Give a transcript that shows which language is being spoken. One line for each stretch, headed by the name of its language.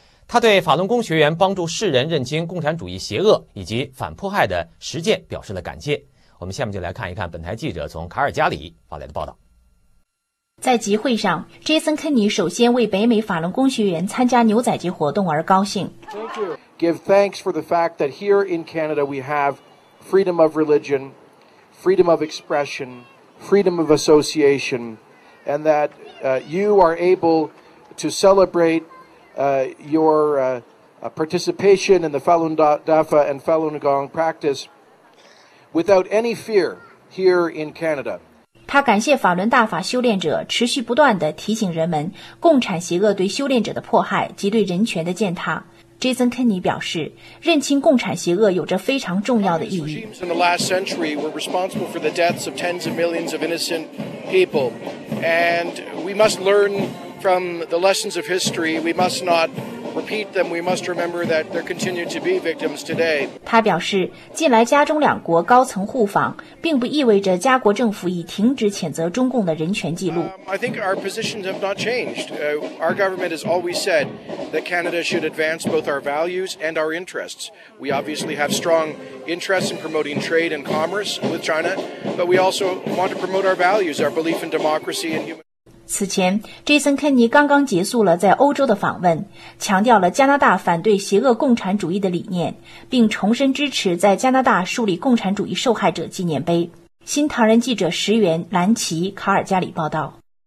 Chinese: 他对法轮功学员帮助世人认清共产主义邪恶以及反迫害的实践表示了感谢。我们下面就来看一看本台记者从卡尔加里发来的报道。在集会上，杰森·肯尼首先为北美法轮功学员参加牛仔节活动而高兴。
English: Give thanks for the fact that here in Canada we haveFreedom of religion, freedom of expression, freedom of association, and that you are able to celebrate your participation in the Falun Dafa and Falun Gong practice without any fear here in Canada.
Chinese: 他感谢法轮大法修炼者持续不断地提醒人们共产邪恶对修炼者的迫害及对人权的践踏。 Jason Kenney 表示，认清共产邪恶有着非常重要的意义。
English: Regimes in the last century were responsible for the deaths of tens of millions of innocent people, and we must learn from the lessons of history. We must not repeat them. We must remember that there continue to be victims today.
Chinese: 他表示，近来加中两国高层互访，并不意味着加国政府已停止谴责中共的人权记录。
English: I think our positions have not changed. Our government has always said. That Canada should advance both our values and our interests. We obviously have strong interests in promoting trade and commerce with China, but we also want to promote our values, our belief in democracy and human.
Chinese: 此前 ，Jason Kenney 刚刚结束了在欧洲的访问，强调了加拿大反对邪恶共产主义的理念，并重申支持在加拿大树立共产主义受害者纪念碑。新唐人记者石原兰奇，卡尔加里报道。